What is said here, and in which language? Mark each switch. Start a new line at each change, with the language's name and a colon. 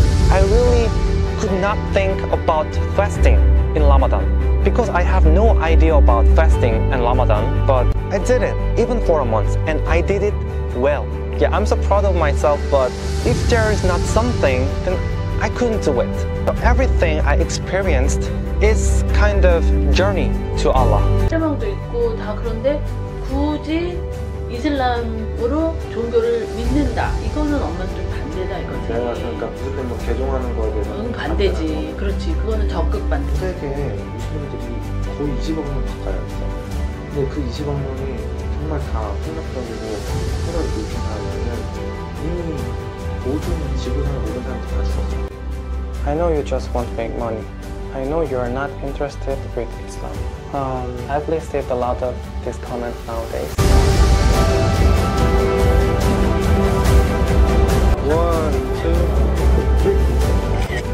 English: I really could not think about fasting in Ramadan because I have no idea about fasting and Ramadan, but I did it even for a month and I did it well. Yeah, I'm so proud of myself, but if there is not something, then I couldn't do it. So everything I experienced is kind of journey to Allah.
Korean: 희망도 있고 다 그런데 굳이 이슬람으로 종교를 믿는다 이거는 엄마는 좀 반대다 이거. 네, 그러니까 무조건 뭐 개종하는 거에 대해서. 응, 반대지. 그렇지. 그거는 적극 반대. 세계 무슬림들이 거의 20억 명 가까이 있어. 근데 그 20억 명이 정말 다 폭력적이고 테러를 일으킨 사람이면 이미 모든 지구상의 모든 사람들이 다 죽었어.
English: I know you just want to make money. I know you are not interested with Islam. I've received a lot of these comments nowadays. One, two, three.